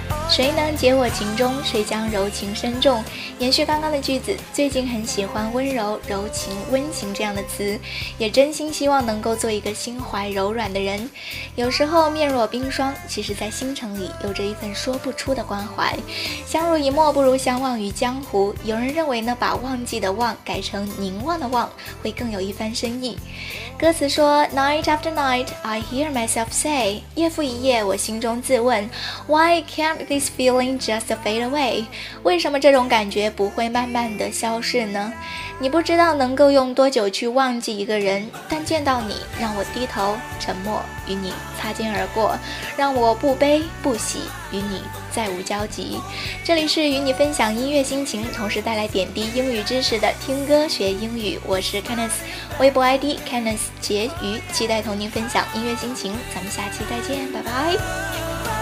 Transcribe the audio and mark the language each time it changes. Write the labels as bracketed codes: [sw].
[zh] 谁能解我情衷，谁将柔情深重。延续刚刚的句子，最近很喜欢温柔、柔情、温情这样的词，也真心希望能够做一个心怀柔软的人。有时候面若冰霜，其实在心城里有着一份说不出的关怀。相濡以沫不如相忘于江湖，有人认为呢，把忘记的忘改成凝望的望会更有一番深意。歌词说 [en] Night after night I hear myself say， [zh] 夜复一夜我心中自问 [en] Why can't this feeling just fade away， [zh] 为什么这种感觉不会慢慢的消逝呢？你不知道能够用多久去忘记一个人，但见到你让我低头沉默与你擦肩而过，让我不悲不喜与你再无交集。这里是与你分享音乐心情，同时带来点滴英语知识的听歌学英语，我是 Kenneth， 微博 ID Kenneth 结余，期待同您分享音乐心情，咱们下期再见，拜拜。